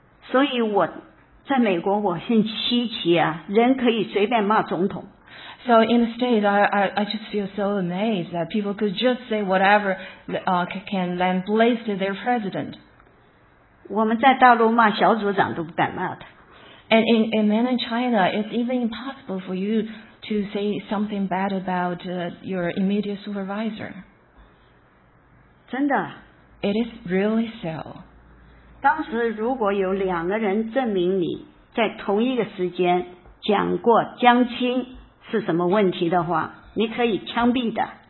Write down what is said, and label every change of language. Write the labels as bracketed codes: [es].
[zh] 所以我在美国，我很稀奇啊，人可以随便骂总统。 [en] So in the States, I just feel so amazed that people could just say whatever can lambaste to their president. [zh] 我们在大陆骂小组长都不敢骂他。 [en] And in mainland China, it's even impossible for you to say something bad about your immediate supervisor. [zh] 真的。 [en] It is really so. [zh] 当时如果有两个人证明你在同一个时间讲过江青是什么问题的话，你可以枪毙的。